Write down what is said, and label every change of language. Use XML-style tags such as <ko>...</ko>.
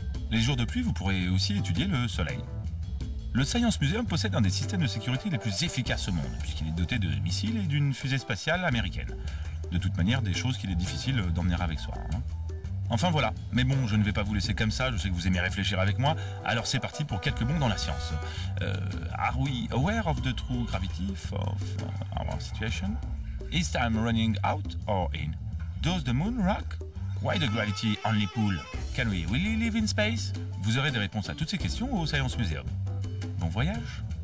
<fr>Les jours de pluie, vous pourrez aussi étudier le soleil. Le Science Museum possède un des systèmes de sécurité les plus efficaces au monde, puisqu'il est doté de missiles et d'une fusée spatiale américaine. De toute manière, des choses qu'il est difficile d'emmener avec soi. Hein. Enfin voilà, mais bon, je ne vais pas vous laisser comme ça, je sais que vous aimez réfléchir avec moi, alors c'est parti pour quelques bons dans la science.</fr> <en>Are we aware of the true gravity of our situation? Is time running out or in? Does the moon rock? Why the gravity only pull? Can we really live in space?</en> <fr>Vous aurez des réponses à toutes ces questions au Science Museum. Bon voyage!</fr>